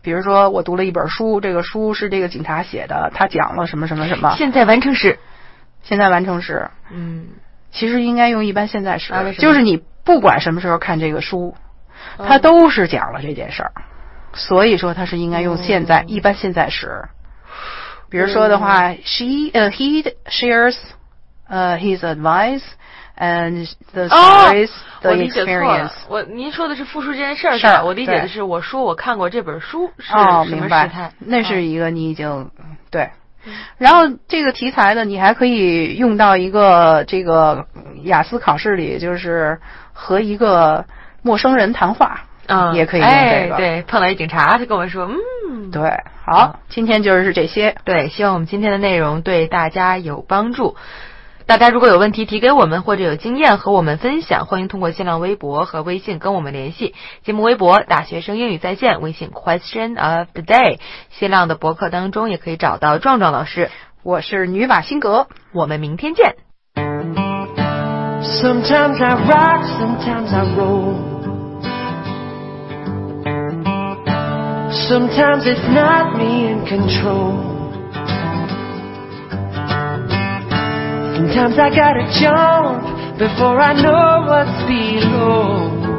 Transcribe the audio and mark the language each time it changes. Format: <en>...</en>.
<zh>比如说我读了一本书，这个书是这个警察写的，他讲了什么什么什么。现在完成时。现在完成时。嗯。其实应该用一般现在时。啊，为什么？就是你不管什么时候看这个书，他都是讲了这件事儿。嗯，所以说他是应该用现在，嗯，一般现在时。比如说的话，嗯，</zh> <en>he shares, his advice,and the stories, the experience。</en> <zh>我您说的是复述这件事儿，是吧？我理解的是，我说我看过这本书是什么时态。哦，明白。那是一个你已经，啊，对。然后这个题材呢，你还可以用到一个这个雅思考试里，就是和一个陌生人谈话。嗯，也可以用这个。哎，对，碰到一警察，他跟我说，嗯，对，好，嗯，今天就是这些。对，希望我们今天的内容对大家有帮助。大家如果有问题提给我们，或者有经验和我们分享，欢迎通过新浪微博和微信跟我们联系。节目微博大学生英语在线，微信 question of the day， 新浪的博客当中也可以找到壮壮老师。我是女瓦辛格，我们明天见。</zh> <en>Sometimes I rock, sometimes I roll. Sometimes it's not me in controlSometimes I gotta jump before I know what's below.</en>